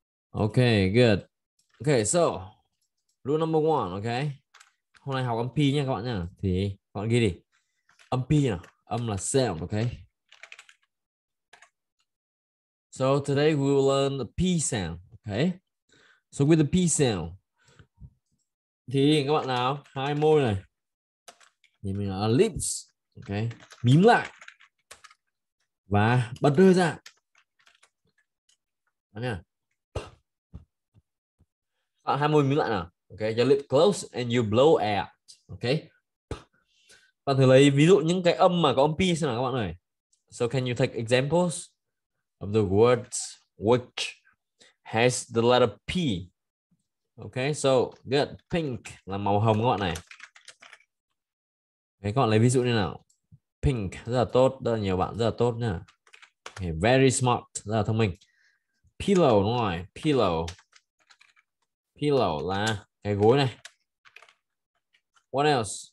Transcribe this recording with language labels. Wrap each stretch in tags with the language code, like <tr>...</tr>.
<en>Ok, good. Ok, so rule number one, ok.</en> <vi>Hôm nay học âm P nha các bạn nha. Thì các bạn ghi đi. Âm P nào. Âm là sound, ok.</vi> <en>So today we will learn the P sound. Okay. So with the P sound,</en> <vi>thì các bạn nào hai môi này, thì mình là lips. Okay. Mím lại và bật hơi ra. Đấy nha. À, hai môi mím lại nào.</vi> <en>Okay. Your lip close and you blow out. Okay.</en> <vi>Bạn thử lấy ví dụ những cái âm mà có âm P xem nào các bạn ơi.</vi> <en>So can you take examples of the words which has the letter P? Okay, so good.</en> <vi>Pink là màu hồng các bạn này. Okay, các bạn lấy ví dụ như nào. Pink rất là tốt, rất là nhiều bạn rất là tốt nha.</vi> <en>Okay, very smart,</en> <vi>rất là thông minh. Pillow đúng rồi, pillow. Pillow là cái gối này.</vi> <en>What else?</en>